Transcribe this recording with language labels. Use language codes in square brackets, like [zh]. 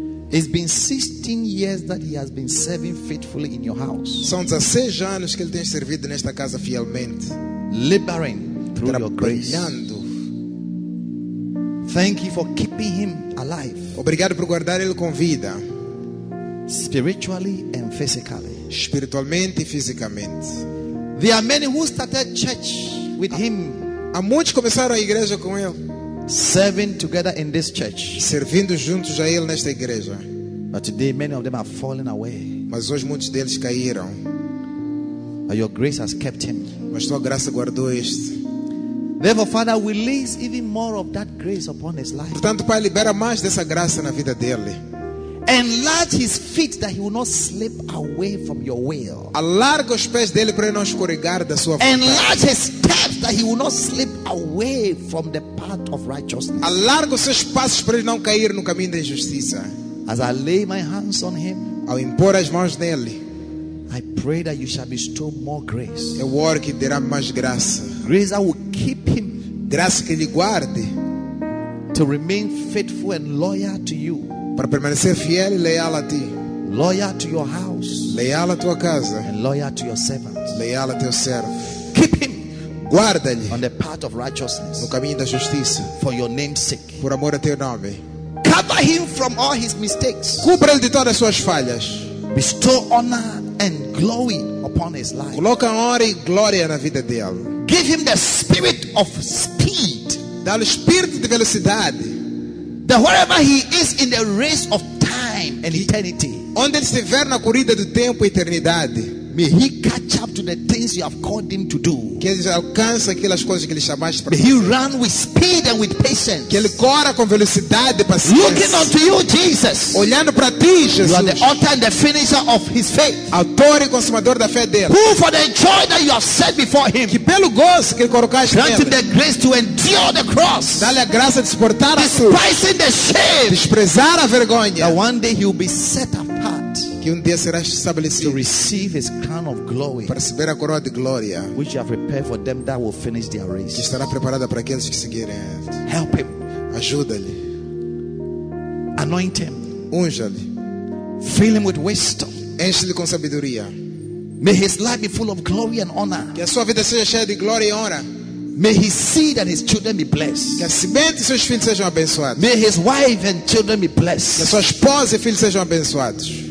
[en] It's been 16 years that he has been serving faithfully in your house. [pt] São 16 anos que ele tem servido nesta casa fielmente. [en] Laboring through your grace. [pt] Trabalhando. [en] Thank you for keeping him alive. [pt] Obrigado por guardar ele com vida. [en] Spiritually and physically. [pt] Espiritualmente e fisicamente. [en] There are many who started church with him. [pt] Há muitos começaram a igreja com ele. [en] Serving together in this church. [pt] Servindo juntos a ele nesta igreja. [en] But today many of them have fallen away. [pt] Mas hoje muitos deles caíram. [en] But your grace has kept him. [pt] Mas tua graça guardou este. [en] Therefore, Father, release even more of that grace upon his life. [pt] Portanto, Pai, libera mais dessa graça na vida dele. [en] Enlarge his feet that he will not slip away from your will. [pt] Alarga os pés dele para ele não escorregar da sua vontade. [en] Enlarge his steps that he will not slip away from the path of righteousness. [pt] Alarga os seus passos para ele não cair no caminho da injustiça. [en] As I lay my hands on him, [pt] ao impor as mãos nele, [en] I pray that you shall bestow more grace. [pt] Eu oro que derá mais graça. [en] Grace that will keep him. [pt] Graça que lhe guarde. [en] To remain faithful and loyal to you. [pt] Para permanecer fiel e leal a ti. [en] Loyal to your house. [pt] Leal à tua casa. [en] And loyal to your servant. [pt] Leal a teu servo. [en] Keep him. [pt] Guarda-lhe. [en] On the path of righteousness. [pt] No caminho da justiça. [en] For your name's sake. [pt] Por amor a teu nome. [en] Cover him from all his mistakes. [pt] Cubra-lhe de todas as suas falhas. [en] Bestow honor and glory upon his life. [pt] Coloca honra e glória na vida dele. [en] Give him the spirit of speed. [pt] Dá-lhe espírito de velocidade. [en] That wherever he is in the race of time and eternity, [pt] onde ele estiver na corrida do tempo e eternidade, [en] may he catch up to the things you have called him to do. [pt] Que ele alcance aquelas coisas que ele chamaste para. [en] May he run with speed and with patience. [pt] Que ele corra com velocidade e paciência. [en] Looking unto you, Jesus. [pt] Olhando para ti, Jesus. [en] You are the author and the finisher of his faith. [pt] Autor e consumador da fé dele. [en] Who for the joy that you have set before him. [pt] Que pelo gozo que ele colocaste [en] grant him the grace to endure the cross. [pt] Dá-lhe a graça de suportar a cruz. [en] Despising the shame. [pt] Desprezar a vergonha. [en] That one day he will be set apart. [pt] Que um dia será estabelecido. [en] To receive his crown of glory. [pt] Para receber a coroa de glória. [en] Which you have prepared for them that will finish their race. [pt] Que estará preparada para aqueles que seguirem. [en] Help him. [pt] Ajuda-lhe. [en] Anoint him. [pt] Unja-lhe. [en] Fill him with wisdom. [pt] Enche-lhe com sabedoria. [en] May his life be full of glory and honor. [pt] Que a sua vida seja cheia de glória e honra. [en] May his seed and his children be blessed. [pt] Que a semente e seus filhos sejam abençoados. [en] May his wife and children be blessed. [pt] Que a sua esposa e filhos sejam abençoados.